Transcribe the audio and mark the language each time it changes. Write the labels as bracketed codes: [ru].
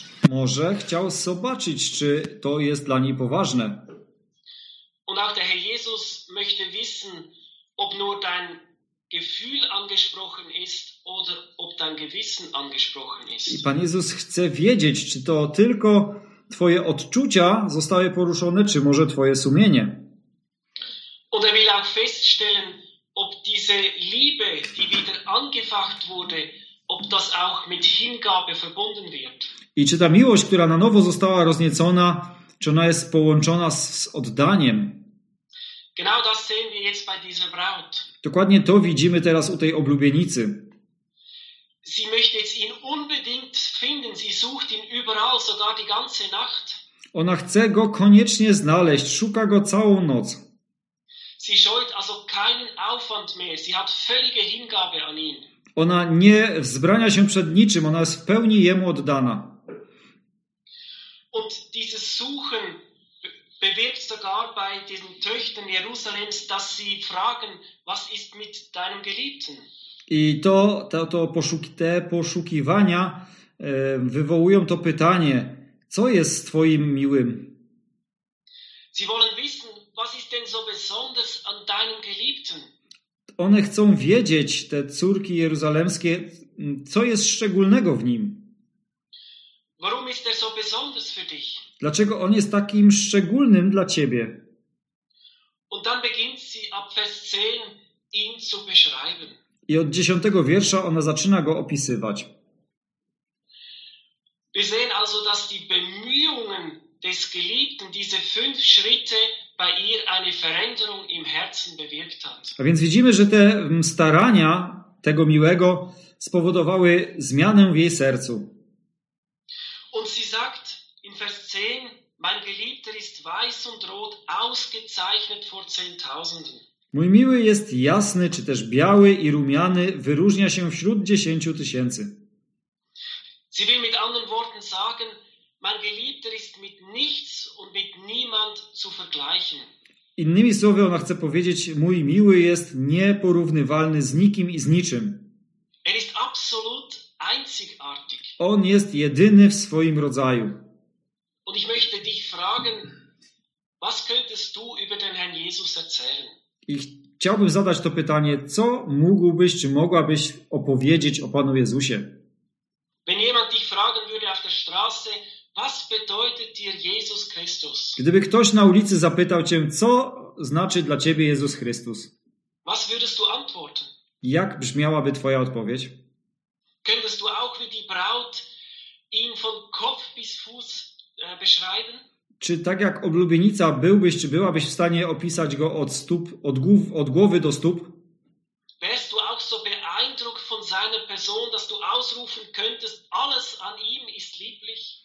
[pl] Może chciał zobaczyć, czy to jest dla niej poważne. [de] Und auch der Herr Jesus möchte wissen, ob nur dein Gefühl angesprochen ist oder ob dein Gewissen angesprochen ist. [pl] I Pan Jezus chce wiedzieć, czy to tylko twoje odczucia zostały poruszone, czy może twoje sumienie. [de] Und er will auch feststellen, ob diese Liebe, die wieder angefacht wurde, ob das auch mit Hingabe verbunden wird. [pl] I czy ta miłość, która na nowo została rozniecona, czy ona jest połączona z oddaniem? [de] Genau das sehen wir jetzt bei dieser Braut. [pl] Dokładnie to widzimy teraz u tej oblubienicy. [de] Sie möchte jetzt ihn unbedingt finden. Sie sucht ihn überall, sogar die ganze Nacht. [pl] Ona chce go koniecznie znaleźć. Szuka go całą noc. [de] Sie scheut also keinen Aufwand mehr. Sie hat völlige Hingabe an ihn. [pl] Ona nie wzbrania się przed niczym. Ona jest w pełni jemu oddana. [de] Und dieses Suchen bewirkt sogar bei den Töchtern Jerusalems, dass sie fragen, was ist mit deinem Geliebten? [pl] I te poszukiwania wywołują to pytanie, co jest z twoim miłym? [de] Sie wollen wissen, was ist denn so besonders an deinem Geliebten? [pl] One chcą wiedzieć, te córki jeruzalemskie, co jest szczególnego w nim? [de] Warum ist er so besonders für dich? [pl] Dlaczego on jest takim szczególnym dla ciebie? [de] Und dann beginnt sie ab Vers 10 ihn zu beschreiben. [pl] I od 10 wiersza ona zaczyna go opisywać. [de] Wir sehen also, dass die Bemühungen des Geliebten diese fünf Schritte bei ihr eine Veränderung im Herzen bewirkt hat. [pl] A więc widzimy, że te starania tego miłego spowodowały zmianę w jej sercu. [de] Und sie sagt in Vers 10, mein Geliebter ist weiß und rot, ausgezeichnet vor Zehntausenden. [pl] Mój miły jest jasny, czy też biały i rumiany, wyróżnia się wśród 10 tysięcy. [de] Sie will mit anderen Worten sagen, mein Geliebter ist mit nichts und mit niemand zu vergleichen. [pl] Innymi słowy ona chce powiedzieć, mój miły jest nieporównywalny z nikim i z niczym. [de] Er ist absolut einzigartig. [pl] On jest jedyny w swoim rodzaju. [de] Und ich möchte dich fragen, was könntest du über den Herrn Jesus erzählen? [pl] I chciałbym zadać to pytanie, co mógłbyś, czy mogłabyś opowiedzieć o Panu Jezusie? [de] Wenn jemand dich fragen würde auf der Straße, was bedeutet dir Jesus Christus? [pl] Gdyby ktoś na ulicy zapytał cię, co znaczy dla ciebie Jezus Chrystus? [de] Was würdest du antworten? [pl] Jak brzmiałaby twoja odpowiedź? [de] Könntest du auch wie die Braut ihn von Kopf bis Fuß beschreiben? [pl] Czy tak jak oblubienica byłbyś, czy byłabyś w stanie opisać go od stóp, od głowy do stóp? [de] Wärst du auch so beeindruckt von seiner Person, dass du ausrufen könntest, alles an ihm ist lieblich?